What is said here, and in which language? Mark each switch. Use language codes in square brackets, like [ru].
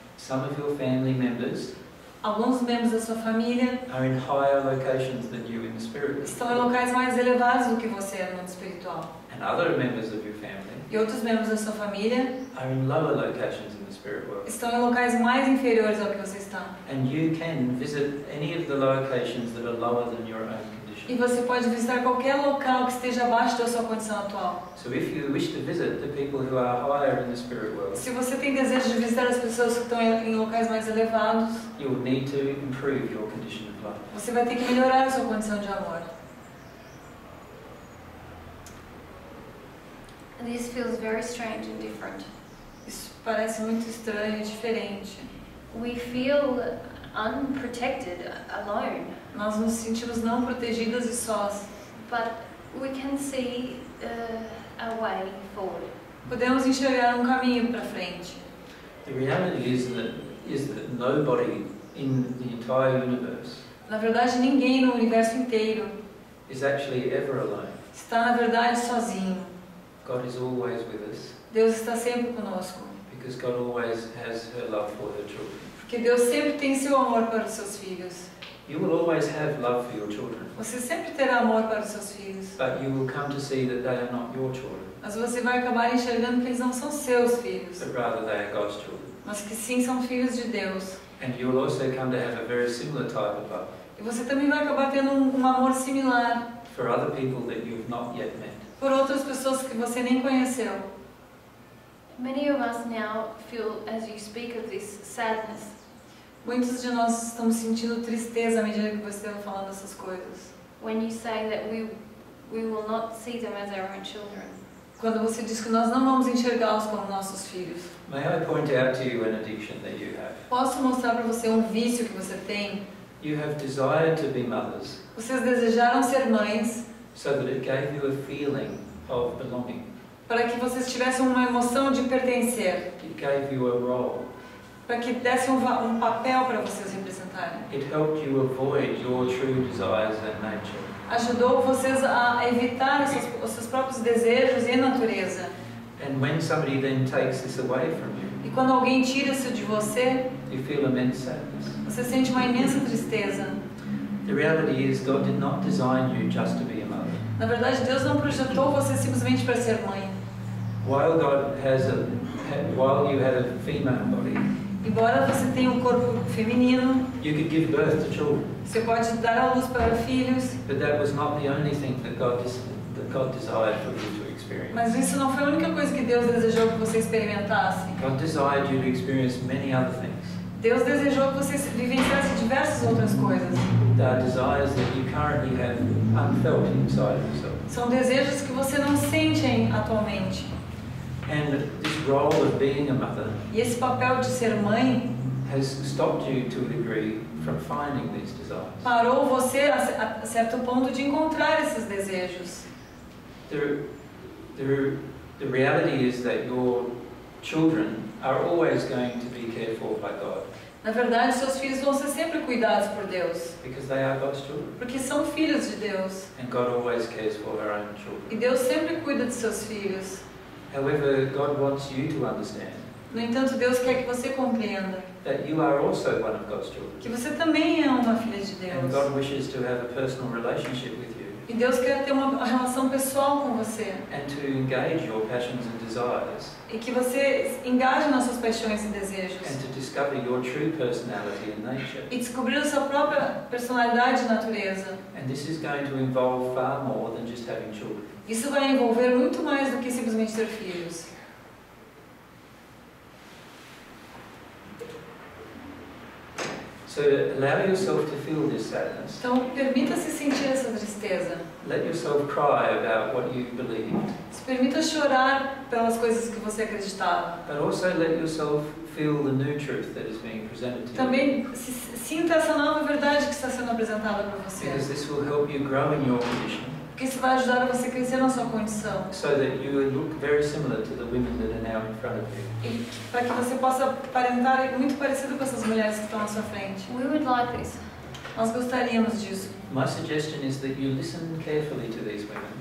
[en] Some of your family members. [pt] Alguns membros da sua família. [en] Are in higher locations than you in the spirit world. [pt] Estão em locais mais elevados do que você no mundo espiritual. [en] And other members of your family. [pt] E outros membros da sua família [en] are in lower locations in the spirit world. [pt] Estão em locais mais inferiores ao que você está. [en] And you can visit any of the locations that are lower than your own condition. [pt] E você pode visitar qualquer local que esteja abaixo da sua condição atual. [en] So if you wish to visit the people who are higher in the spirit world. [pt] Se você tem desejo de visitar as pessoas que estão em locais mais elevados. [en] You will need to improve your condition of love. [pt] Você vai ter que melhorar a sua condição de amor. [en] This feels very strange and different. [pt] Isso parece muito estranho e diferente. [en] We feel unprotected, alone. [pt] Nós nos sentimos não protegidas e sós. [en] But we can see a way forward. [pt] Podemos enxergar caminho para frente. [en] The reality is that nobody in the entire universe. [pt] Na verdade, ninguém no universo inteiro. [en] Is actually ever alone. [pt] Está na verdade sozinho. [en] God is always with us. [pt] Deus está sempre conosco. [en] Because God always has her love for her children. [pt] Porque Deus sempre tem seu amor para os seus filhos. [en] You will always have love for your children. [pt] Você sempre terá amor para os seus filhos. [en] But you will come to see that they are not your children. [pt] Mas você vai acabar enxergando que eles não são seus filhos. [en] But rather they are God's children. [pt] Mas que sim são filhos de Deus. [en] And you will also come to have a very similar type of love. [pt] E você também vai acabar tendo amor similar. [en] For other people that you have not yet met. [pt] Por outras pessoas que você nem conheceu. [en] Many of us now feel, as you speak of this sadness. [pt] Muitos de nós estamos sentindo tristeza à medida que você está falando essas coisas. [en] When you say that we will not see them as our own children. [pt] Quando você diz que nós não vamos enxergá-los como nossos filhos. [en] May I point out to you an addiction that you have? [pt] Posso mostrar para você vício que você tem? [en] You have desired to be mothers. [pt] Vocês desejaram ser mães. [en] So that it gave you a feeling of belonging. [pt] Para que vocês tivessem uma emoção de pertencer. [en] It gave you a role. [pt] Para que desse papel para vocês representarem. [en] It helped you avoid your true desires and nature. [pt] Ajudou vocês a evitar os seus próprios desejos e natureza. [en] And when somebody then takes this away from you. [pt] E quando alguém tira isso de você. [en] You feel immense sadness. [pt] Você sente uma imensa tristeza. [en] The reality is God did not design you just to be a mother. [pt] Na verdade, Deus não projetou você simplesmente para ser mãe. [en] While God has a, while you have a female body. [pt] Embora você tenha corpo feminino. [en] You could give birth to children. [pt] Você pode dar à luz para filhos. [en] But that was not the only thing that God desired for you to experience. [pt] Mas isso não foi a única coisa que Deus desejou que você experimentasse. [en] God desired you to experience many other things. [pt] Deus desejou que você vivenciasse diversas outras coisas. [en] There are desires that you currently have unfelt inside yourself. [pt] São desejos que você não sente atualmente. [en] And this role of being a mother. [pt] E esse papel de ser mãe [en] has stopped you to a degree from finding these desires. [pt] Parou você a certo ponto de encontrar esses desejos. [en] The reality is that your children are always going to be cared for by God. [pt] Na verdade, seus filhos vão ser sempre cuidados por Deus. [en] Because they are God's children. [pt] Porque são filhos de Deus. [en] And God always cares for their own children. [pt] E Deus sempre cuida de seus filhos. [en] However, God wants you to understand. [pt] No entanto, Deus quer que você compreenda. [en] That you are also one of God's children. [pt] Que você também é uma filha de Deus. [en] And God wishes to have a personal relationship with you. [pt] E Deus quer ter uma relação pessoal com você. [en] And to engage your passions and desires. [pt] E que você engaje nas suas paixões e desejos. [en] And to discover your true personality and nature. [pt] E descobrir a sua própria personalidade e natureza. [en] And this is going to involve far more than just having children. [pt] Isso vai envolver muito mais do que simplesmente ter filhos. [en] So allow yourself to feel this sadness. [pt] Então permita-se sentir essa tristeza. [en] Let yourself cry about what you've believed. [pt] Se permita chorar pelas coisas que você acreditava. [en] But also let yourself feel the new truth that is being presented to you. [pt] Também sinta essa nova verdade que está sendo apresentada para você. [en] Because this will help you grow in your condition. [pt] Que isso vai ajudar você a crescer na sua condição. [en] So that you look very similar to the women that are now in front of you. [pt] Para que você possa aparentar muito parecido com essas mulheres que estão à sua frente. [en] We would like this. [pt] Nós gostaríamos disso. [en] My suggestion is that you listen carefully to these women.